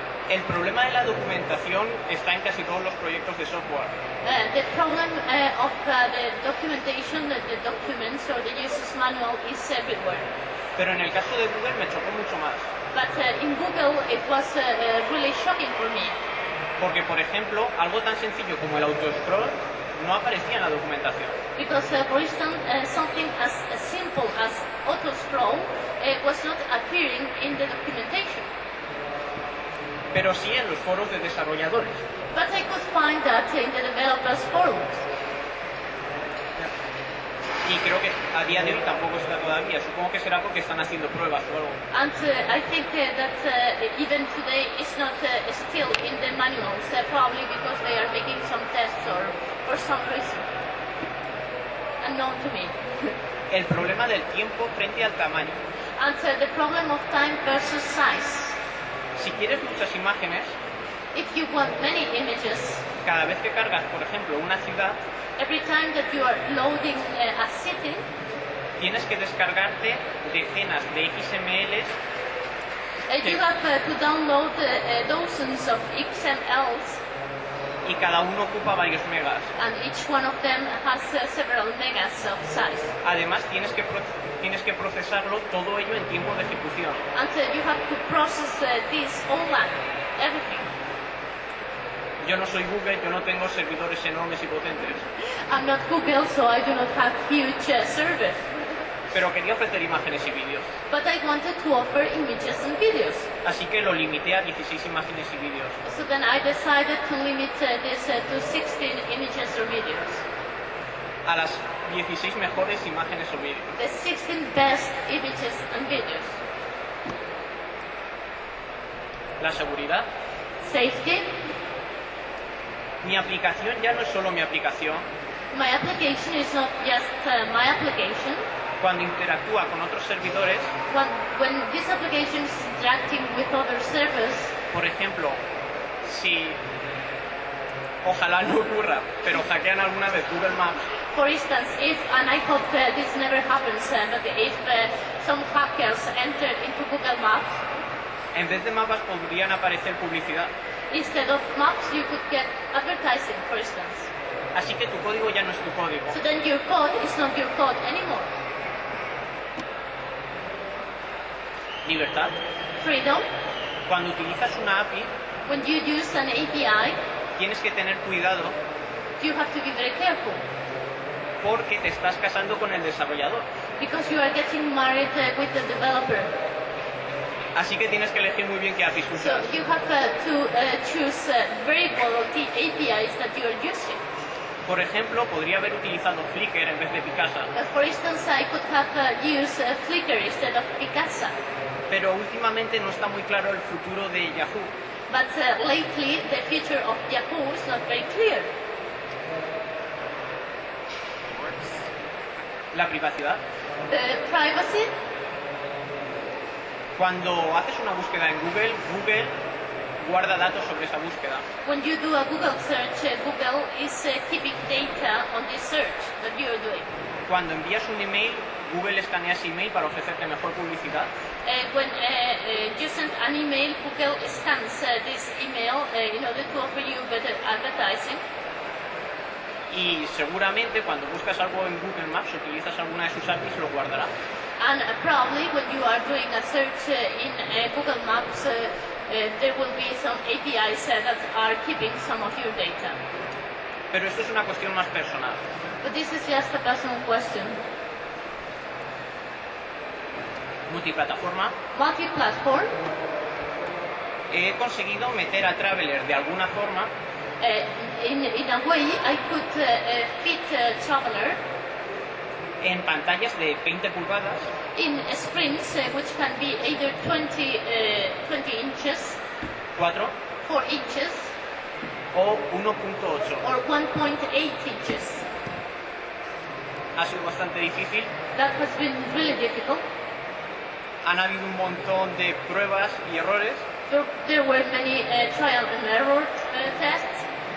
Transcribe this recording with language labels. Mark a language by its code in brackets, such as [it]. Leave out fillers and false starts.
[es] El problema de la documentación está en casi todos los proyectos de software. [en] The problem of the documentation, the documents or the user's manual is everywhere. [es] Pero en el caso de Google me chocó mucho más. [en] But in Google it was really shocking for me. [es] Porque, por ejemplo, algo tan sencillo como el autoscroll no aparecía en la documentación. [en] Because, for instance, something as simple as autoscroll was not appearing in the documentation. [es] Pero sí en los foros de desarrolladores. [en] But I could find that in the developers' forums. [es] Y creo que a día de hoy tampoco está todavía. Supongo que será porque están haciendo pruebas o algo. [en] And I think that even today it's not still in the manuals. Probably because they are making some tests or for some reason. Unknown to me. [es] El problema del tiempo frente al tamaño. [en] And the problem of time versus size. [es] Si quieres muchas imágenes, [en] if you want many images, [es] cada vez que cargas, por ejemplo, una ciudad, [en] every time that you are loading a city, [es] tienes que descargarte decenas de XML. [en] You have to download dozens of XMLs, [es] y cada uno ocupa varios megas. [en] And each one of them has several megas of size. [es] Además, tienes que procesarlo todo ello en tiempo de ejecución. [en] And you have to process this online, everything. [es] Yo no soy Google, yo no tengo servidores enormes y potentes. [en] I'm not Google, so I do not have huge servers. [es] Pero quería ofrecer imágenes y vídeos. [en] But I wanted to offer images and videos. [es] Así que lo limité a 16 imágenes y vídeos. [en] So then I decided to limit this to 16 images or videos. [es] A las 16 mejores imágenes o vídeos. [en] The 16 best images and videos. [es] La seguridad. [en] Safety. [es] Mi aplicación ya no es solo mi aplicación. [en] My application is not just my application. [es] Cuando interactúa con otros servidores, [en] when this application is interacting with other servers, [es] por ejemplo, si ojalá no ocurra, pero hackean alguna vez Google Maps. [en] For instance, if, and I hope this never happens, but if some hackers enter into Google Maps, [es] en vez de mapas podrían aparecer publicidad. [en] Instead of maps, you could get advertising, for instance. [es] Así que tu código ya no es tu código. [en] So then your code is not your code anymore. [es] Libertad. [en] Freedom. [es] Cuando utilizas una API, [en] when you use an API, [es] tienes que tener cuidado. [en] You have to be very careful. [es] Porque te estás casando con el desarrollador. [en] Because you are getting married with the developer. [es] Así que tienes que elegir muy bien qué APIs usas. [en] So you have to choose very well the APIs that you are using. [es] Por ejemplo, podría haber utilizado Flickr en vez de Picasa. [en] For instance, I could have used Flickr instead of Picasa. [es] Pero últimamente no está muy claro el futuro de Yahoo. [en] But lately, the future of Yahoo is not very clear. [es] ¿La privacidad? [en] Privacy. [es] Cuando haces una búsqueda en Google, Google guarda datos sobre esa búsqueda. [en] When you do a Google search, Google is keeping data on the search that you are doing. [es] Cuando envías un email, Google escanea ese email para ofrecerte mejor publicidad. [en] When you send an email, Google scans this email in order to offer you better advertising. [es] Y seguramente cuando buscas algo en Google Maps, utilizas alguna de sus APIs, lo guardará. [en] And probably when you are doing a search in Google Maps, there will be some APIs that are keeping some of your data. [es] Pero esto es una cuestión más personal. [en] But this is just a personal question. [es] Multiplataforma. [en] Multiplatform. [es] He conseguido meter a Traveler de alguna forma. [en] In a way, I could fit Traveler [es] en pantallas de 20 pulgadas. [en] In screens which can be either 20 inches, 4 inches, [es] o 1.8, [en] or 1.8 inches. [es] Ha sido bastante difícil. [en] That has been really difficult. [es] Han habido un montón de pruebas y errores. [en] There were many trial and error tests.